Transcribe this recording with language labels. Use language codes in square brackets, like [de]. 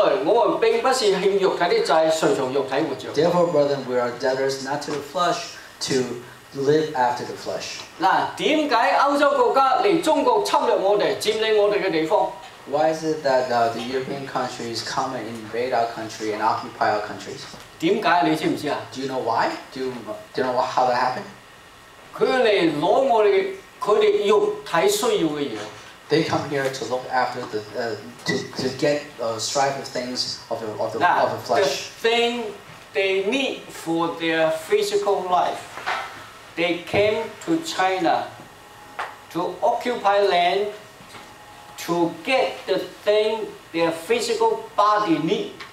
[zh] 弟兄們,這樣的話,我們並不是欠肉體的債,隨從肉體活著。 [en] Therefore, brethren, we are debtors not to the flesh, to live after the flesh. [zh] 那為什麼歐洲國家來中國侵略我們,佔領我們的地方? [en] Why is it that the European countries come and invade our country and occupy our countries? [zh] 為什麼你知不知道? [en] Do you know why? Do you know how that happened? [zh] 他們來攞我們肉體需要的東西。 [en] They come here to look after the to get a strife of things of the flesh. The thing they need for their physical life, they came to China to occupy land to get the thing their physical body need.